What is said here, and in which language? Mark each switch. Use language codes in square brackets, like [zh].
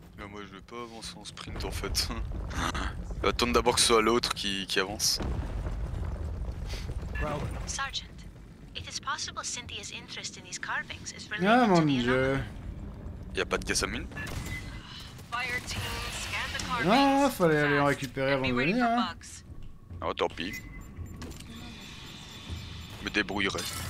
[fr] Mais moi je vais pas avancer en sprint en fait. Attendre d'abord que ce soit l'autre qui avance. [en] Sergeant, it is possible Cynthia's interest in these carvings is related to the anomaly. [fr] Y'a pas de caisse à mine. [en] Fire team, scan the carvings. [fr] Non, fallait aller en récupérer avant de venir. Hein. Oh tant pis. Je me débrouillerai.